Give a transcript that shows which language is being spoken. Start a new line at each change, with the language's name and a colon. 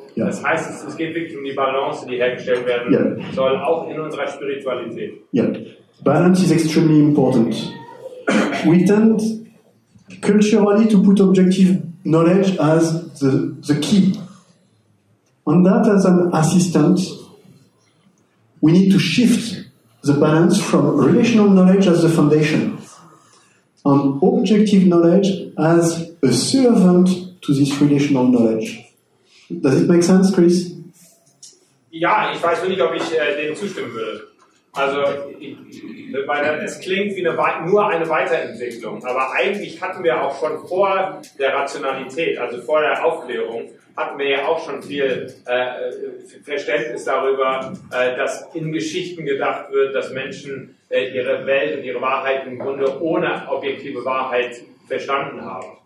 German: Yeah. Das heißt, es geht wirklich um die Balance, die hergestellt werden soll, auch in unserer Spiritualität.
English: Yeah. Balance is extremely important. We tend culturally to put objective knowledge as the key. And that as an assistant, we need to shift the balance from relational knowledge as the foundation, and objective knowledge as a servant to this relational knowledge. Does it make sense, Chris?
German: Ja, ich weiß nicht, ob ich dem zustimmen würde. Also, es klingt wie nur eine Weiterentwicklung, aber eigentlich hatten wir auch schon vor der Rationalität, also vor der Aufklärung, hatten wir ja auch schon viel Verständnis darüber, dass in Geschichten gedacht wird, dass Menschen ihre Welt und ihre Wahrheit im Grunde ohne objektive Wahrheit verstanden haben.